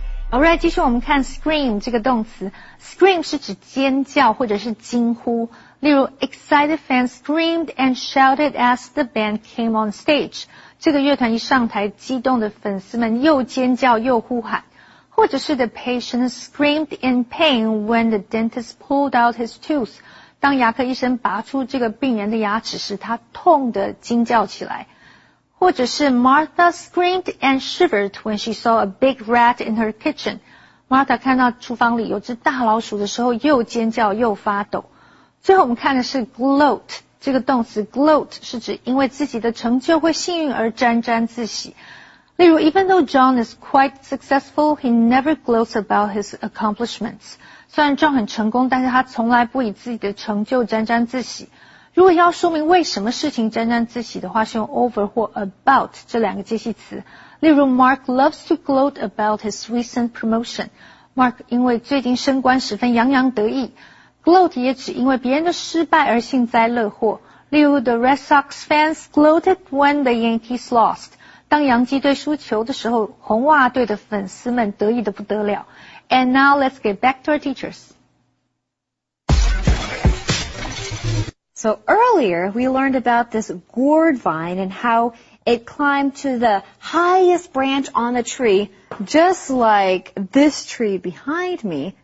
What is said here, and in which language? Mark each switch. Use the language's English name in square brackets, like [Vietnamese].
[Chinese] Alright, 继续我们看 scream 这个动词。Scream 是指尖叫或者是惊呼。 [English] 例如 excited fans screamed and shouted as the band came on stage. [Chinese] 这个乐团一上台，激动的粉丝们又尖叫又呼喊。 [English] 或者是 the patient screamed in pain when the dentist pulled out his tooth. [Chinese] 当牙科医生拔出这个病人的牙齿时，他痛得惊叫起来。 [English] 或者是 Martha screamed and shivered when she saw a big rat in her kitchen. [Chinese] Martha 看到厨房里有只大老鼠的时候，又尖叫又发抖。最后我们看的是 gloat, 这个动词 gloat 是指因为自己的成就或幸运而沾沾自喜。 [English] 例如 even though John is quite successful, he never gloats about his accomplishments. [Chinese] 虽然 John 很成功，但是他从来不以自己的成就沾沾自喜。如果要说明为什么事情沾沾自喜的话，是用 over 或 about 这两个介系词。 [English] 例如 Mark loves to gloat about his recent promotion. Mark [Chinese] 因为最近升官十分洋洋得意。 Gloat 也指因为别人的失败而幸灾乐祸。例如 , [English] the Red Sox fans gloated when the Yankees lost. [Chinese] 当洋基队输球的时候红袜队的粉丝们得意得不得了。 [English] And now let's get back to our teachers. So earlier we learned about this gourd vine and how it climbed to the highest branch on the tree, just like this tree behind me.